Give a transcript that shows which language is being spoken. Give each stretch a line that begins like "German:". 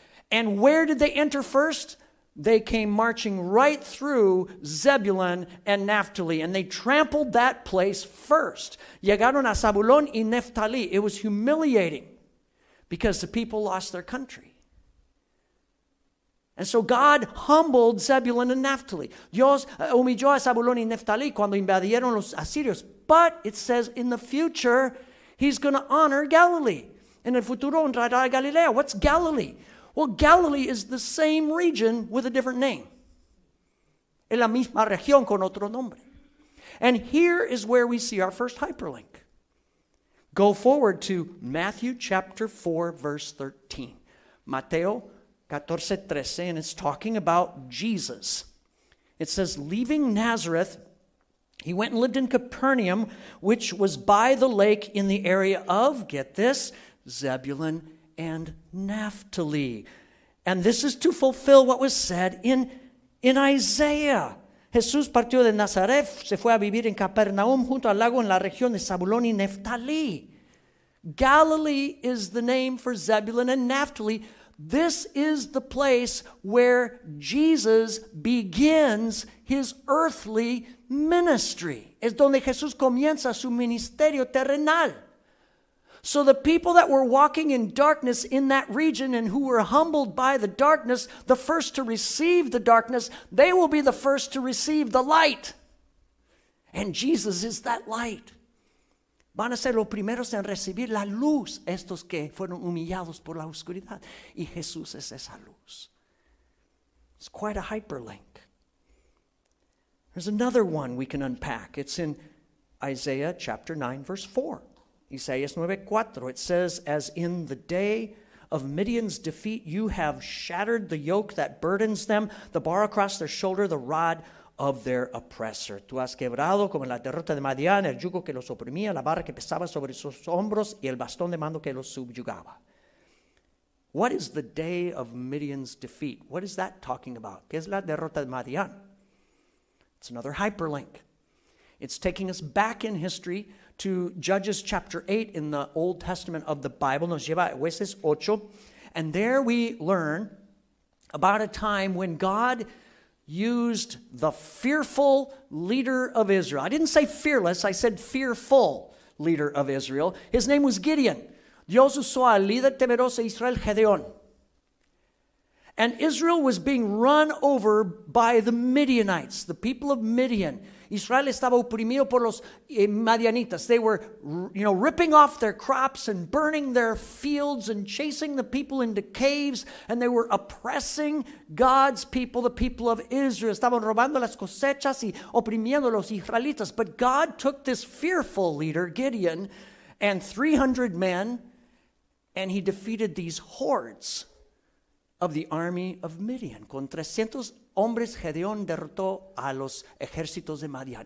English: And where did they enter first? They came marching right through Zebulun and Naphtali, and they trampled that place first.
Spanish: Llegaron a Zebulun y Naphtali.
English: It was humiliating because the people lost their country. And so God humbled Zebulun and Naphtali.
Spanish: Dios humilló a Zebulun y Naphtali cuando invadieron los asirios.
English: But it says in the future, he's going to honor Galilee.
Spanish: En el futuro honrará a Galilea.
English: What's Galilee? Well, Galilee is the same region with a different name.
Spanish: Es la misma región con otro nombre.
English: And here is where we see our first hyperlink. Go forward to Matthew chapter 4, verse 13.
Spanish: Mateo 14:13, and it's talking about Jesus.
English: It says, leaving Nazareth, he went and lived in Capernaum, which was by the lake in the area of, get this, Zebulun and Naphtali. And this is to fulfill what was said in Isaiah.
Spanish: Jesús partió de Nazaret, se fue a vivir en Capernaum, junto al lago en la región de Zebulun y Naphtali.
English: Galilee is the name for Zebulun and Naphtali. This is the place where Jesus begins his earthly ministry.
Spanish: Es donde Jesús comienza su ministerio terrenal.
English: So the people that were walking in darkness in that region and who were humbled by the darkness, the first to receive the darkness, they will be the first to receive the light. And Jesus is that light.
Spanish: Van a ser los primeros en recibir la luz, estos que fueron humillados por la oscuridad. Y Jesús es esa luz.
English: It's quite a hyperlink. There's another one we can unpack. It's in Isaiah chapter 9, verse 4.
Spanish: Isaías 9, 4.
English: It says, as in the day of Midian's defeat, you have shattered the yoke that burdens them, the bar across their shoulder, the rod of their oppressor.
Spanish: Tú has quebrado como en la derrota de Madian el yugo que los oprimía, la barra que pesaba sobre sus hombros y el bastón de mando que los subyugaba.
English: What is the day of Midian's defeat? What is that talking about?
Spanish: ¿Qué es la derrota de Madian?
English: It's another hyperlink. It's taking us back in history to Judges chapter 8 in the Old Testament of the Bible.
Spanish: Nos lleva a Jueces 8.
English: And there we learn about a time when God used the fearful leader of Israel. I didn't say fearless, I said fearful leader of Israel. His name was Gideon.
Spanish: Dios usó al líder temeroso de Israel, Gedeón.
English: And Israel was being run over by the Midianites, the people of Midian.
Spanish: Israel estaba oprimido por los Madianitas.
English: They were, you know, ripping off their crops and burning their fields and chasing the people into caves. And they were oppressing God's people, the people of Israel.
Spanish: Estaban robando las cosechas y oprimiendo los israelitas.
English: But God took this fearful leader, Gideon, and 300 men, and he defeated these hordes of the army of Midian.
Spanish: Con 300 hombres, Gedeón derrotó a los ejércitos de Madian.